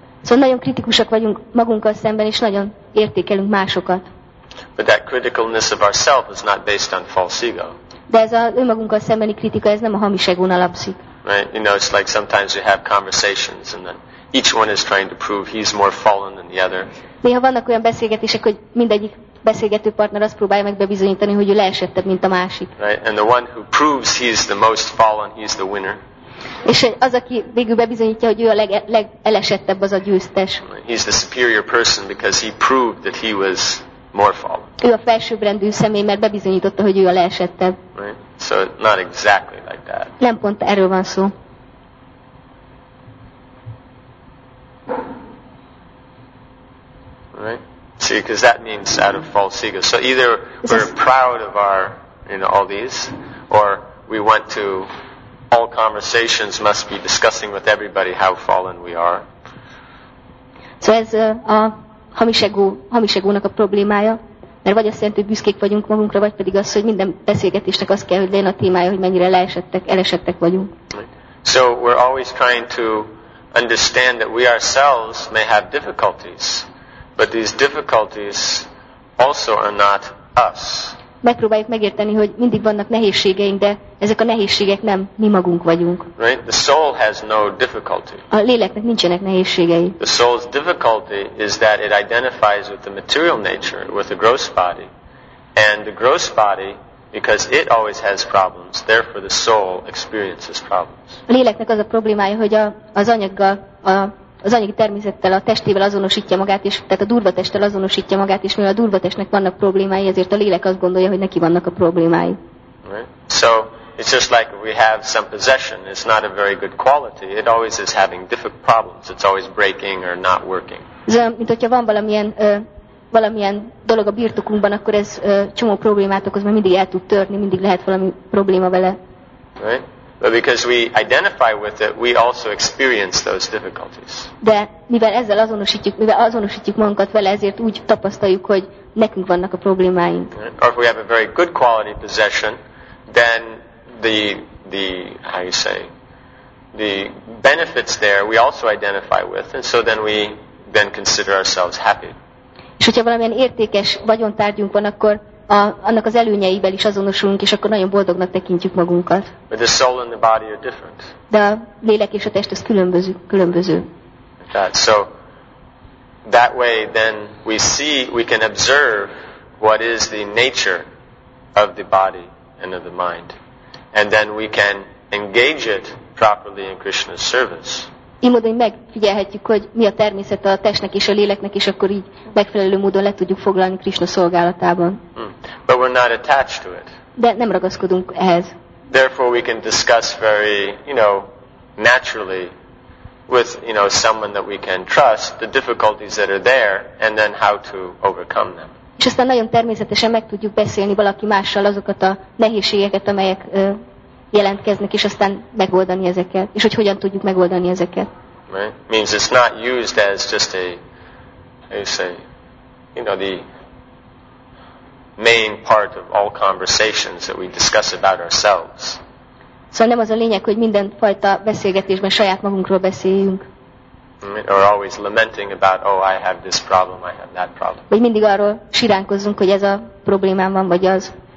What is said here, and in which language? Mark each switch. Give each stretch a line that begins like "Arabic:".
Hungarian: So nagyon kritikusak vagyunk magunkkal szemben, és nagyon értékelünk másokat.
English: But that criticalness of ourselves is not based on false ego.
Hungarian: De ez a önmagunkkal szembeni kritika, ez nem a hamis egón alapszik.
English: Right? You know, it's like sometimes you have conversations and then each one is trying to prove he's more fallen than the other.
Hungarian: Néha vannak olyan beszélgetések, hogy mindegyik beszélgető partner azt próbálja meg bebizonyítani, hogy ő leesettebb, mint a másik.
English: Right? And the one who proves he's the most fallen, he's the winner.
Hungarian: És az, aki végül bebizonyítja, hogy ő a legelesettebb, az a győztes.
English: He's the superior person because he proved that he was more fallen.
Hungarian: Ő a felsőbbrendű személy, mert bebizonyította, hogy ő a leesettebb.
English: Right? So not exactly like that.
Hungarian: Nem pont erről van szó.
English: Right? See, because that means out of false ego. So either we're proud of our, you know, all these, or we want to, all conversations must be discussing with everybody how fallen we are.
Hungarian: So ez a hamis egónak a problémája, mert vagy azt jelenti, hogy büszkék vagyunk magunkra, vagy pedig az, hogy minden beszélgetésnek az kell, hogy legyen a témája, hogy mennyire elesettek vagyunk.
English: Right. So we're always trying to understand that we ourselves may have difficulties. But these difficulties also are not us.
Hungarian: Megpróbáljuk megérteni, hogy mindig vannak nehézségeink, de ezek a nehézségek nem mi magunk vagyunk.
English: Right? The soul has no difficulty.
Hungarian: A léleknek nincsenek nehézségei.
English: The soul's difficulty is that it identifies with the material nature, with the gross body. And the gross body, because it always has problems, therefore the soul experiences problems.
Hungarian: A léleknek az a problémája, hogy az anyagi természettel, a testével azonosítja magát, és tehát a durva testtel azonosítja magát, és mivel a durva testnek vannak problémái, ezért a lélek azt gondolja, hogy neki vannak a problémái.
English: Right. So it's just like we have some possession. It's not a very good quality. It always is having different problems. It's always breaking or not working.
Hungarian: Mint hogyha van valamilyen dolog a birtokunkban, akkor ez csomó problémát okoz, mert mindig el tud törni, mindig lehet valami probléma vele.
English: Right. But because we identify with it, we also experience those difficulties.
Hungarian: De mivel ezzel azonosítjuk, mivel azonosítjuk magunkat vele, ezért úgy tapasztaljuk, hogy nekünk vannak a problémáink.
English: Or if we have a very good quality possession, then the how you say, the benefits there we also identify with, and so then we then consider ourselves happy.
Hungarian: És hogyha valamilyen értékes vagyontárgyunk van, akkor annak az előnyeivel is azonosulunk, és akkor nagyon boldognak tekintjük magunkat.
English: But the soul and the body are different.
Hungarian: De a lélek és a test az különböző.
English: That. So that way then we see, we can observe what is the nature of the body and of the mind. And then we can engage it properly in Krishna's service.
Hungarian: Így módon megfigyelhetjük, hogy mi a természet a testnek és a léleknek, és akkor így megfelelő módon le tudjuk foglalni Krishna szolgálatában.
English: But we're not attached to it.
Hungarian: De nem ragaszkodunk ehhez.
English: Therefore we can discuss very, you know, naturally with, you know, someone that we can trust the difficulties that are there and then how to overcome them.
Hungarian: És aztán nagyon természetesen meg tudjuk beszélni valaki mással azokat a nehézségeket, amelyek jelentkeznek, és aztán megoldani ezeket, és hogy hogyan tudjuk megoldani ezeket.
English: Right? Means it's not used as just a, how you say, you know, the main part of all conversations that we discuss about ourselves.
Hungarian: Szóval nem az a lényeg, hogy minden fajta beszélgetésben saját magunkról beszéljünk.
English: Or always lamenting about, oh, I have this problem, I have that problem.
Hungarian: Vagy mindig arról siránkozzunk, hogy ez a problémám van, vagy az.